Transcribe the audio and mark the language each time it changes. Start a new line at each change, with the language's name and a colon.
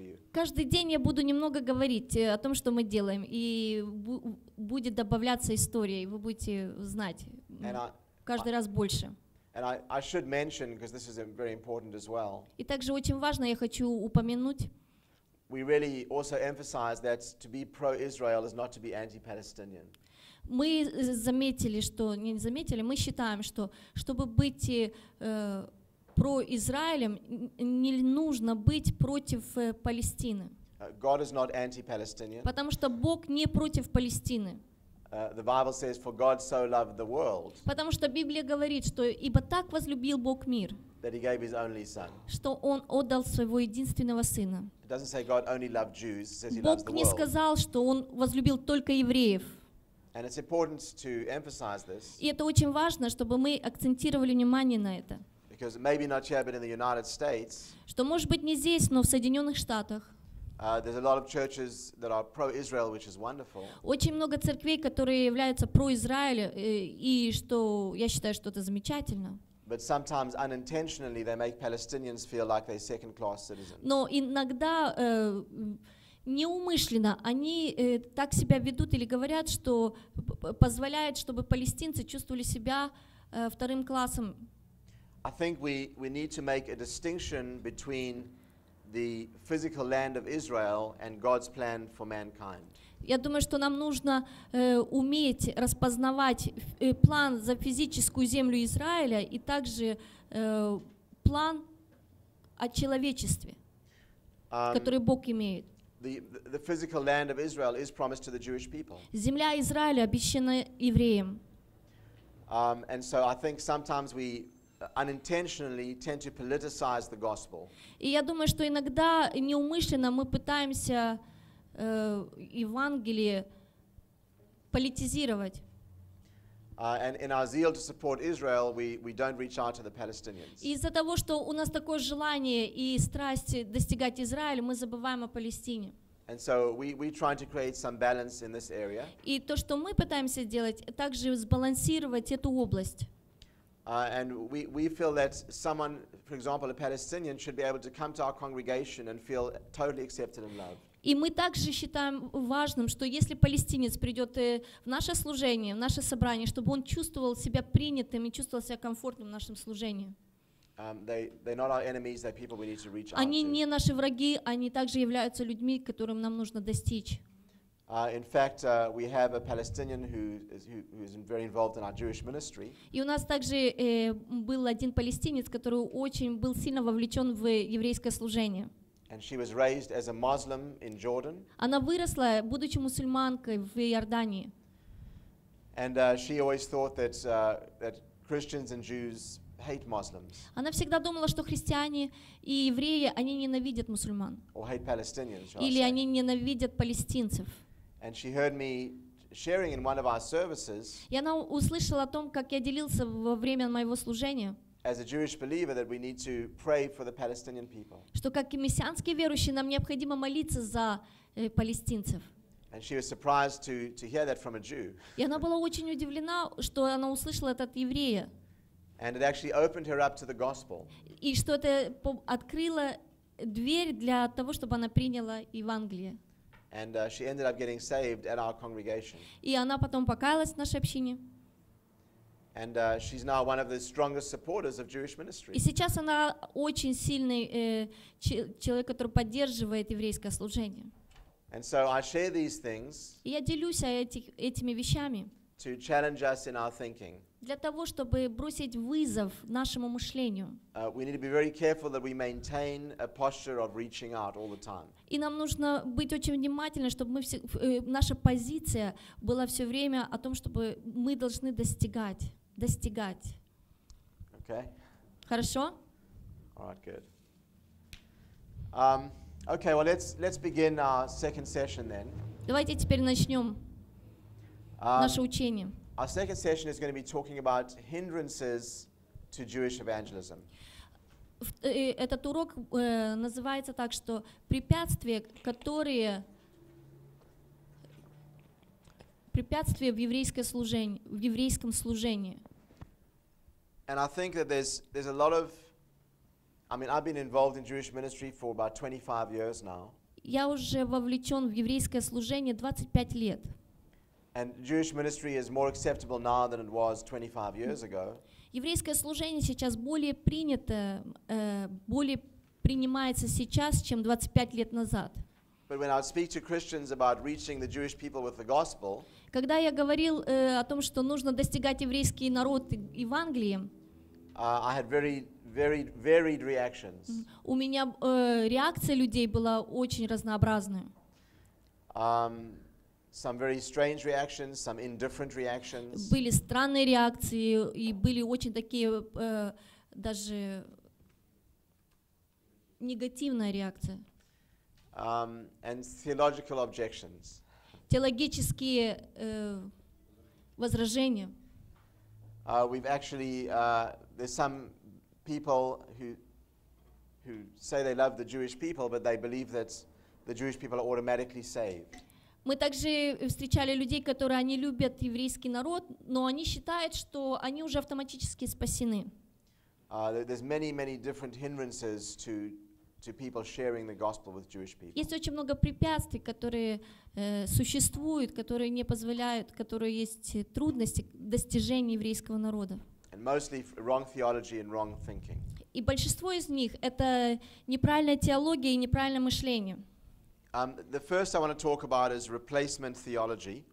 Russian: Каждый день я буду немного говорить о том, что мы делаем, и будет добавляться история, и вы будете знать каждый раз больше.
English: I should mention, because this is very important as well.
Russian: И также очень важно, я хочу упомянуть.
English: We really also emphasize that to be pro-Israel is not to be anti-Palestinian.
Russian: Мы заметили, что не заметили, мы считаем, что чтобы быть про Израилем не нужно быть против Палестины.
English: God is not anti-Palestinian.
Russian: Потому что Бог не против Палестины.
English: The Bible says, "For God so loved the world."
Russian: Потому что Библия говорит, что ибо так возлюбил Бог мир.
English: That He gave His only Son.
Russian: Что Он отдал своего единственного сына.
English: It doesn't say God only loved Jews. It says He
Russian: Бог
English: loves the world.
Russian: Бог не сказал, что Он возлюбил только евреев.
English: And it's important to emphasize this.
Russian: И это очень важно, чтобы мы акцентировали внимание на это.
English: Because maybe not here, but in the United States.
Russian: Что может быть не здесь, но в Соединенных Штатах.
English: There's a lot of churches that are pro-Israel, which is wonderful.
Russian: Очень много церквей, которые являются про-Израилем, и что я считаю, что это замечательно.
English: But sometimes unintentionally they make Palestinians feel like they're second-class citizens.
Russian: Но иногда неумышленно они так себя ведут или говорят, что позволяют, чтобы палестинцы чувствовали себя вторым классом.
English: I think we need to make a distinction between the physical land of Israel and God's plan for mankind.
Russian: Я думаю, что нам нужно уметь распознавать план за физическую землю Израиля и также план о человечестве, который Бог имеет.
English: The physical land of Israel is promised to the Jewish people.
Russian: Земля Израиля обещана евреям.
English: And so I think sometimes we unintentionally tend to politicize the gospel.
Russian: И я думаю, что иногда неумышленно мы пытаемся Евангелие политизировать.
English: And in our zeal to support Israel, we don't reach out to the Palestinians.
Russian: Из-за того, что у нас такое желание и страсть достигать Израиля, мы забываем о Палестине.
English: And so we try to create some balance in this area.
Russian: И то, что мы пытаемся сделать, также сбалансировать эту область.
English: And we feel that someone, for example, a Palestinian, should be able to come to our congregation and feel totally accepted and loved.
Russian: И мы также считаем важным, что если палестинец придет в наше служение, в наше собрание, чтобы он чувствовал себя принятым и чувствовал себя комфортным в нашем служении.
English: They're not our enemies; they're people we need to reach out.
Russian: Они не наши враги, они также являются людьми, которым нам нужно достичь.
English: In fact, we have a Palestinian who is very involved in our Jewish ministry.
Russian: И у нас также был один палестинец, который очень был сильно вовлечен в еврейское служение.
English: And she was raised as a Muslim in Jordan.
Russian: Она выросла, будучи мусульманкой, в Иордании.
English: And she always thought that that Christians and Jews hate Muslims.
Russian: Она всегда думала, что христиане и евреи, они ненавидят мусульман.
English: Or hate Palestinians.
Russian: Или они ненавидят палестинцев.
English: And she heard me sharing in one of our services.
Russian: И она услышала о том, как я делился во время моего служения.
English: As a Jewish believer, that we need to pray for the Palestinian people.
Russian: Что как и мессианские верующие, нам необходимо молиться за палестинцев.
English: And she was surprised to hear that from a Jew.
Russian: И она была очень удивлена, что она услышала это от еврея.
English: And it actually opened her up to the gospel.
Russian: И что это открыло дверь для того, чтобы она приняла Евангелие.
English: And she ended up getting saved at our congregation.
Russian: И она потом покаялась в нашей общине.
English: And she's now one of the strongest supporters of Jewish ministry.
Russian: И сейчас она очень сильный человек, который поддерживает еврейское служение.
English: And so I share these things.
Russian: И я делюсь этими вещами.
English: To challenge us in our thinking.
Russian: Для того, чтобы бросить вызов нашему мышлению.
English: We need to be very careful that we maintain a posture of reaching out all the time.
Russian: И нам нужно быть очень внимательны, чтобы наша позиция была все время о том, чтобы мы должны достигать.
English: Okay.
Russian: Хорошо?
English: All right, good. Okay, well let's begin our second session then.
Russian: Давайте теперь начнем наше учение.
English: Our second session is going to be talking about hindrances to Jewish evangelism.
Russian: Этот урок называется так, что препятствия в еврейском служении.
English: And I think that there's a lot of, I've been involved in Jewish ministry for about 25 years now.
Russian: Я уже вовлечен в еврейское служение 25 лет.
English: And Jewish ministry is more acceptable now than it was 25 years ago.
Russian: Еврейское служение сейчас более принято, более принимается сейчас, чем 25 лет назад.
English: But when I speak to Christians about reaching the Jewish people with the gospel,
Russian: когда я говорил о том, что нужно достигать еврейский народ Евангелием,
English: I had very, varied, varied reactions.
Russian: У меня реакция людей была очень разнообразной.
English: Some very strange reactions, some indifferent reactions.
Russian: Были странные реакции и были очень такие даже негативная реакция.
English: And theological objections.
Russian: Теологические возражения.
English: We've actually there's some people who say they love the Jewish people, but they believe that the Jewish people are automatically saved.
Russian: Мы также встречали людей, которые они любят еврейский народ, но они считают, что они уже автоматически спасены.
English: There's many, many different hindrances to people sharing the gospel with Jewish people.
Russian: Есть очень много препятствий, которые существуют, которые не позволяют, которые есть трудности достижения еврейского народа.
English: And mostly wrong theology and wrong thinking.
Russian: И большинство из них — это неправильная теология и неправильное мышление.
English: The first I want to talk about is replacement theology.